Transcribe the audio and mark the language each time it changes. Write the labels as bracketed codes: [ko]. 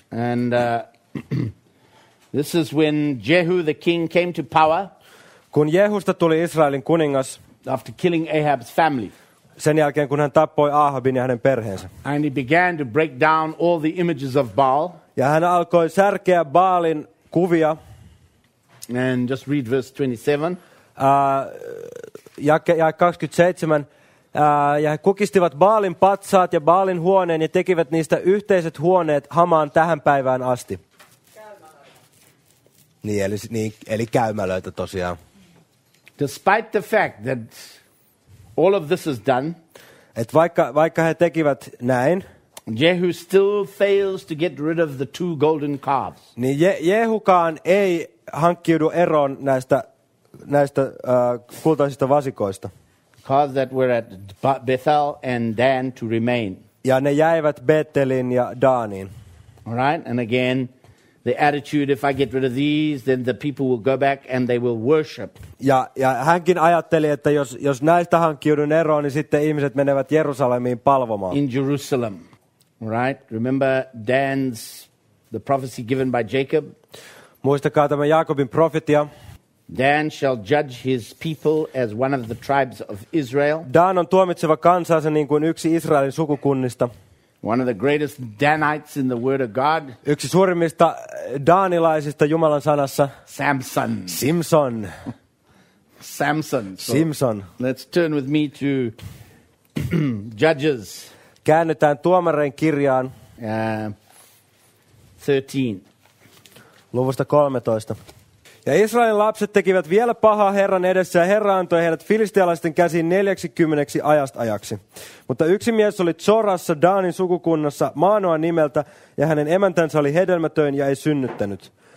[en] And this is when Jehu the king came to power. [fi] Kun Jehusta tuli Israelin kuningas. [en] After killing Ahab's family. [fi] Sen jälkeen kun hän tappoi Ahabin ja hänen perheensä. [en] And he began to break down all the images of Baal. [fi] Ja hän alkoi särkeä Baalin kuvia. [en] And just read verse 27. [fi] Jae 27. Ja he kukistivat Baalin patsaat ja Baalin huoneen ja tekivät niistä yhteiset huoneet Hamaan tähän päivään asti. Niin, eli käymälöitä tosiaan. [en] Despite the fact that all of this is done, [fi] et vaikka he tekivät näin, [en] Jehu still fails to get rid of the two golden calves. [fi] Niin Jehukaan ei hankkiudu eroon näistä kultaisista vasikoista. [en] Calves that were at Bethel and Dan to remain. [fi] Ja ne jäivät Bethelin ja Daaniin. [en] All right, and again, the attitude, if I get rid of these, then the people will go back and they will worship. [fi] Ja hänkin ajatteli, että jos näistä hankkiudun eroon, niin sitten ihmiset menevät Jerusalemiin palvomaan. [en] In Jerusalem, right? Remember Dan's, the prophecy given by Jacob? [fi] Muistakaa tämä Jaakobin profetia. [en] Dan shall judge his people as one of the tribes of Israel. [fi] Dan on tuomitseva kansansa niin kuin yksi Israelin sukukunnista. [en] One of the greatest Danites in the word of God. [fi] Yksi suurimmista daanilaisista Jumalan sanassa. [en] Samson. [fi] Simpson. [en] Samson. [fi] Simpson. [en] So let's turn with me to Judges. [fi] Käännytään tuomareen kirjaan. [en] 13. [fi] Luvusta 13. Ja Israelin lapset tekivät vielä pahaa Herran edessä, ja Herra antoi heidät filistealaisten käsiin 40 ajastajaksi. Mutta yksi mies oli Zorassa, Daanin sukukunnassa, Maanoa nimeltä, ja hänen emäntänsä oli hedelmätön ja ei synnyttänyt.